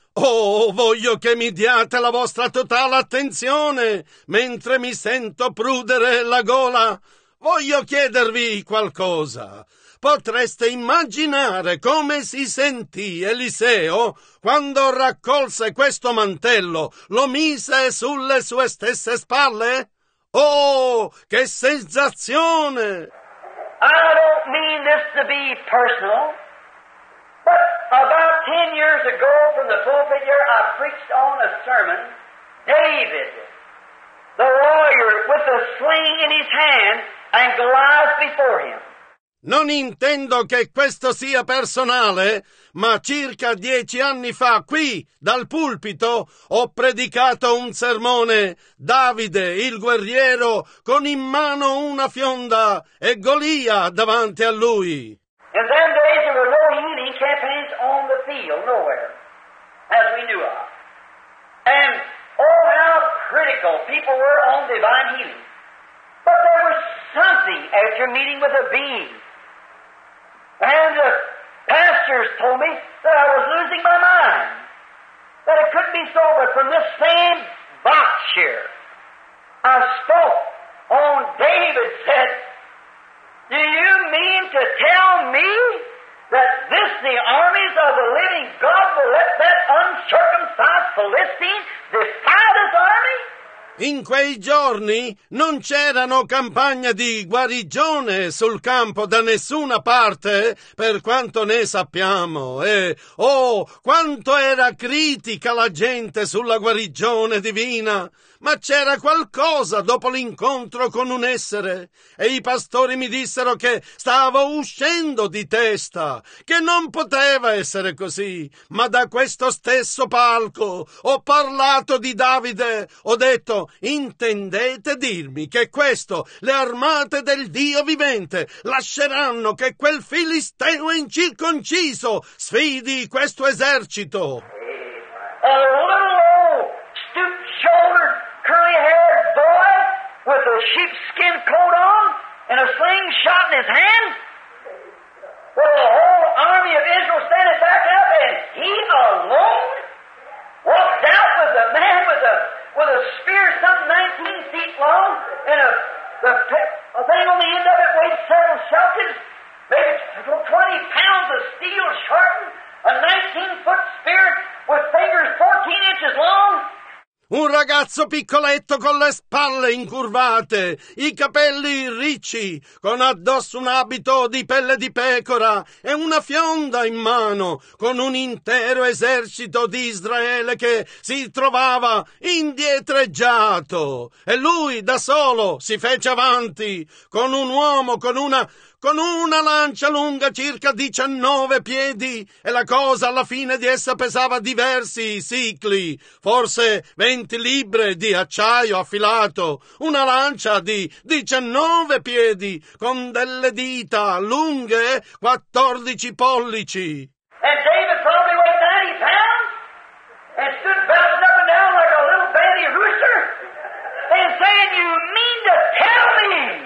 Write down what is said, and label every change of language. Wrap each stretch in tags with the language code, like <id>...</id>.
<it>Oh, voglio che mi diate la vostra totale attenzione mentre mi sento prudere la gola. Voglio chiedervi qualcosa. Potreste immaginare come si sentì Eliseo quando raccolse questo mantello, lo mise sulle sue stesse spalle? Oh, che sensazione!</it> <en>I don't mean this to be personal. But about 10 years ago from the pulpit here, I preached on a sermon, David, the warrior with a sling in his hand and Goliath before him.</en> <it>Non intendo che questo sia personale, ma circa 10 anni fa, qui, dal pulpito, ho predicato un sermone, Davide, il guerriero, con in mano una fionda e Golia davanti a lui.</it> <en>In them days there were no healing campaigns on the field, nowhere, as we knew of. And oh, how critical people were on divine healing. But there was something after meeting with a being. And the pastors told me that I was losing my mind. That it couldn't be so, but from this same box here, I spoke on David said, do you mean to tell me that this, the armies of the living God, will let that uncircumcised Philistine defy this army?</en> <it>In quei giorni non c'erano campagne di guarigione sul campo da nessuna parte, per quanto ne sappiamo. E, oh, quanto era critica la gente sulla guarigione divina! Ma c'era qualcosa dopo l'incontro con un essere. E i pastori mi dissero che stavo uscendo di testa, che non poteva essere così. Ma da questo stesso palco ho parlato di Davide. Ho detto, intendete dirmi che questo, le armate del Dio vivente, lasceranno che quel filisteo incirconciso sfidi questo esercito?</it> <en>A little stoop-shouldered, curly-haired boy with a sheepskin coat on and a slingshot in his hand? Well, the whole army of Israel standing back up and he alone walked out with a man with a spear some 19 feet long and a thing on the end of it weighed 7 shekels, maybe 20 pounds of steel sharpened, a 19-foot spear with fingers 14 inches long.</en> <it>Un ragazzo piccoletto con le spalle incurvate, i capelli ricci, con addosso un abito di pelle di pecora e una fionda in mano, con un intero esercito di Israele che si trovava indietreggiato. E lui da solo si fece avanti, con un uomo, con una lancia lunga circa 19 piedi e la cosa alla fine di essa pesava diversi sicli, forse 20 libbre di acciaio affilato, una lancia di 19 piedi con delle dita lunghe 14 pollici.</it> <en>And David probably weighed 90 pounds and stood bouncing up and down like a little baby rooster and saying, you mean to tell me?</en>